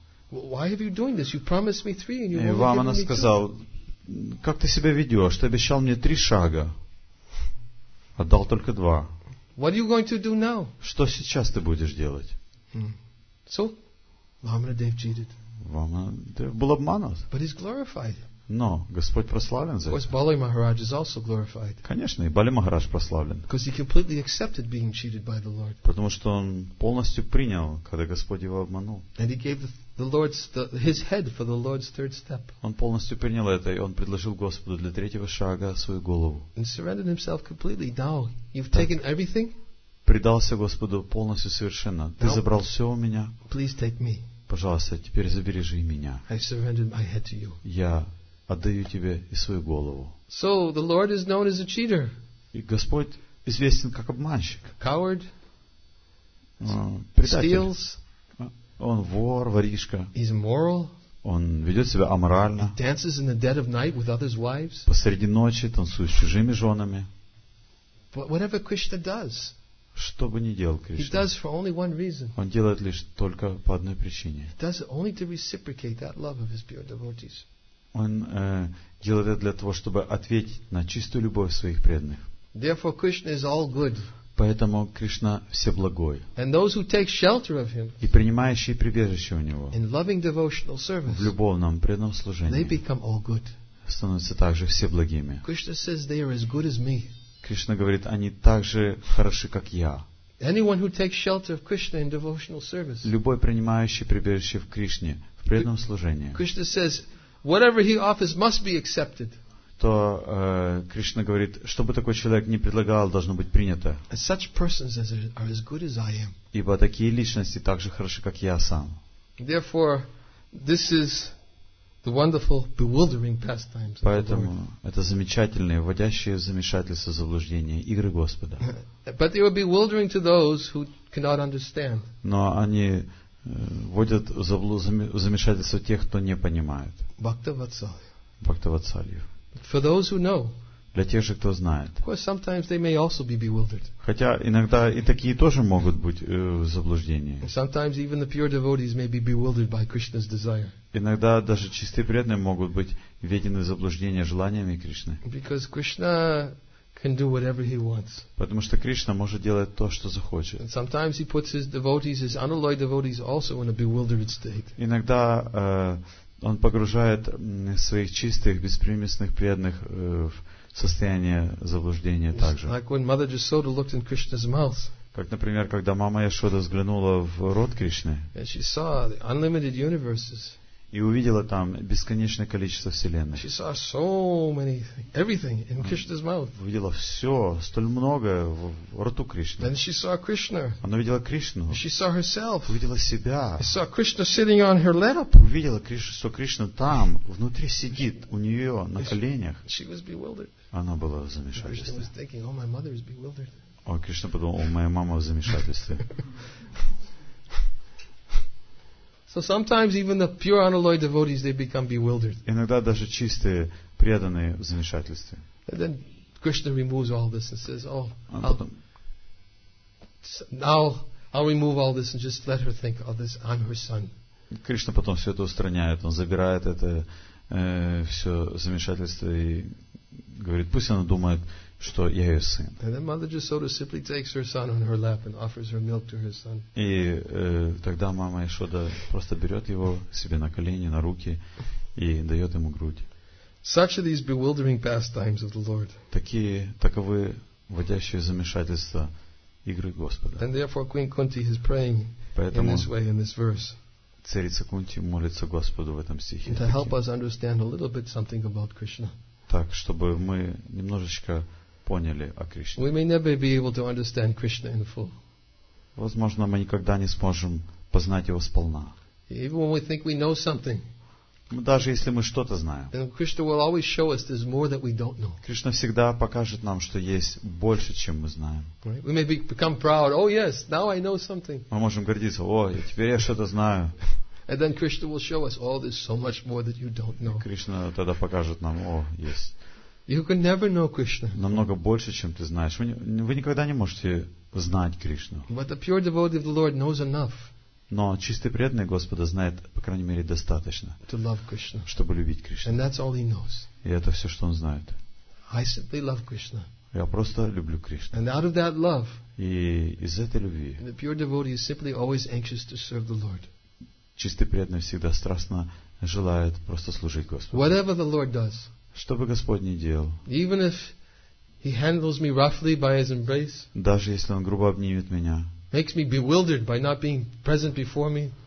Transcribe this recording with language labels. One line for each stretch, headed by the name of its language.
English: Why are you doing this? You promised me three, and you only gave me two.
Russian: Вамана сказал, как ты себя ведешь? Ты обещал мне три шага, отдал только два.
English: What are you going to do now?
Russian: Что сейчас ты будешь делать?
English: So, Vamanadev cheated.
Russian: Vamanadev был обманут.
English: But he's glorified.
Russian: Но Господь прославлен за это.
English: Of course, Bali Maharaj is also glorified.
Russian: Конечно, и Бали Махарадж прославлен.
English: Because he completely accepted being cheated by the Lord.
Russian: Потому что он полностью принял, когда Господь его обманул.
English: And he gave the Lord's his head for the Lord's third step.
Russian: Он полностью принял это, и он предложил Господу для третьего шага свою голову.
English: And surrendered himself completely. Now you've taken everything.
Russian: Предался Господу полностью совершенно. Ты забрал все у меня.
English: Please take me.
Russian: Пожалуйста, теперь забери же и меня.
English: I surrendered my head to you.
Russian: Я отдаю тебе и свою голову.
English: So the Lord is known as a cheater.
Russian: И Господь известен как обманщик.
English: Coward.
Russian: Предатель.
English: Steals.
Russian: Он вор, воришка.
English: He's immoral.
Russian: Он ведет себя аморально.
English: He dances in the dead of night with others' wives.
Russian: Посреди ночи танцует с чужими женами.
English: But whatever Krishna does,
Russian: что бы ни делал Кришна,
English: he does for only one reason.
Russian: Он делает лишь только по одной причине.
English: He does it only to reciprocate that love of his pure devotees.
Russian: Он делает это для того, чтобы ответить на чистую любовь своих преданных.
English: Therefore, Krishna is all good.
Russian: Поэтому Кришна всеблагой.
English: And those who take shelter of him,
Russian: и принимающие прибежище у него
English: in loving devotional service,
Russian: в любовном преданном служении,
English: they become all good.
Russian: Становятся также всеблагими.
English: Krishna says they are as good as me.
Russian: Кришна говорит, они так же хороши, как я.
English: Anyone who takes shelter of Krishna in devotional service,
Russian: любой принимающий прибежище в Кришне в преданном служении,
English: Krishna says, whatever he offers must be accepted.
Russian: То Кришна говорит, что бы такой человек ни предлагал, должно быть принято.
English: And such persons are as good as I am.
Russian: Ибо такие личности так же хороши, как я сам.
English: Therefore, this is the wonderful, bewildering pastimes.
Russian: Поэтому это замечательные, вводящие в замешательство, заблуждение игры Господа.
English: But they are bewildering to those who cannot understand.
Russian: Но они вводят в замешательство тех, кто не понимает. Бхактавацалью.
English: For those who know.
Russian: Для тех же, кто знает.
English: Of course, sometimes they may also be bewildered.
Russian: Хотя иногда и такие тоже могут быть в заблуждении.
English: Sometimes even the pure devotees may be bewildered by Krishna's desire.
Russian: Иногда даже чистые преданные могут быть введены в заблуждение желаниями Кришны.
English: Because Krishna can do whatever he wants.
Russian: Потому что Кришна может делать то, что захочет.
English: And sometimes he puts his devotees, his unalloyed devotees, also in a bewildered state.
Russian: Иногда он погружает своих чистых, беспримесных преданных в состояние заблуждения также.
English: Like when Mother Jasoda looked in Krishna's mouth.
Russian: Как, например, когда мама Яшода взглянула в рот Кришны.
English: And she saw the unlimited universes.
Russian: И увидела там бесконечное количество вселенной.
English: She saw so many everything in Krishna's mouth.
Russian: Увидела все, столь многое в роту Кришны.
English: Then she saw Krishna.
Russian: Она видела Кришну.
English: She saw herself.
Russian: Увидела себя.
English: She saw Krishna sitting on her lap.
Russian: Увидела, что Кришна там, внутри сидит, у нее на коленях.
English: She was bewildered.
Russian: Она была в замешательстве.
English: Krishna was thinking, oh, my mother is bewildered.
Russian: О, Кришна подумал, о, моя мама в замешательстве.
English: So sometimes even the pure unalloyed devotees, they become bewildered.
Russian: Иногда даже чистые преданные в замешательстве.
English: And then Krishna removes all this and says, "Oh, I'll remove all this and just let her think of this. I'm her son."
Russian: Кришна потом все это устраняет, он забирает это все замешательство и говорит, пусть она думает, что я ее сын.
English: And then Mother Jasoda simply takes her son on her lap and offers her milk to her son.
Russian: И тогда мама Яшода просто берет его себе на колени, на руки и дает ему грудь.
English: Such are these bewildering pastimes of the Lord.
Russian: Таковы вводящие в замешательство игры Господа.
English: And therefore Queen Kunti is praying in this way in this verse.
Russian: Царица Кунти молится Господу в этом стихе.
English: To help us understand a little bit something about Krishna.
Russian: Так, чтобы мы немножечко поняли о Кришне.
English: We may never be able to understand Krishna in full.
Russian: Возможно, мы никогда не сможем познать его сполна.
English: Even when we think we know something,
Russian: даже если мы что-то знаем,
English: then Krishna will always show us there's more that we don't know.
Russian: Кришна всегда покажет нам, что есть больше, чем мы знаем.
English: Right? We may become proud. Oh yes, now I know something.
Russian: Мы можем гордиться. О, теперь я что-то знаю.
English: And then Krishna will show us all this so much more that you don't know.
Russian: Кришна тогда покажет нам, о, есть.
English: You can never know Krishna.
Russian: Намного больше, чем ты знаешь. Вы никогда не можете знать Кришну.
English: But the pure devotee of the Lord knows enough.
Russian: Но чистый преданный Господа знает, по крайней мере, достаточно.
English: To love Krishna.
Russian: Чтобы любить Кришну.
English: And that's all he knows.
Russian: И это все, что он знает.
English: I simply love Krishna.
Russian: Я просто люблю Кришну.
English: And out of that love.
Russian: И из этой любви.
English: The pure devotee is simply always anxious to serve the Lord.
Russian: Чистый преданный всегда страстно желает просто служить Господу.
English: Whatever the Lord does.
Russian: Что бы Господь ни делал.
English: Even if he handles me roughly by his embrace.
Russian: Даже если он грубо обнимет меня.
English: Makes me bewildered by not being present before me.